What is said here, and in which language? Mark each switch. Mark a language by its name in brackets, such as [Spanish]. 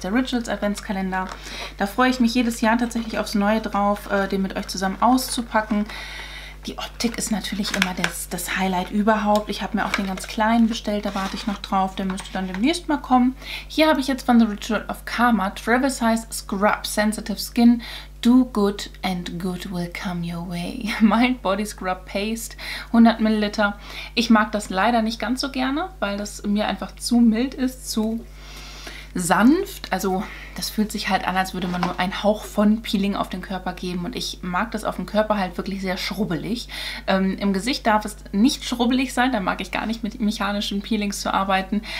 [German] Der Rituals Adventskalender. Da freue ich mich jedes Jahr tatsächlich aufs Neue drauf, den mit euch zusammen auszupacken. Die Optik ist natürlich immer das Highlight überhaupt. Ich habe mir auch den ganz kleinen bestellt, da warte ich noch drauf. Der müsste dann demnächst mal kommen. Hier habe ich jetzt von The Ritual of Karma Travel Size Scrub Sensitive Skin. [English] Do good and good will come your way. Mild Body Scrub Paste, 100 ml. [German] Ich mag das leider nicht ganz so gerne, weil das mir einfach zu mild ist, zu sanft. Also das fühlt sich halt an, als würde man nur einen Hauch von Peeling auf den Körper geben. Und ich mag das auf dem Körper halt wirklich sehr schrubbelig. Im Gesicht darf es nicht schrubbelig sein, da mag ich gar nicht mit mechanischen Peelings zu arbeiten.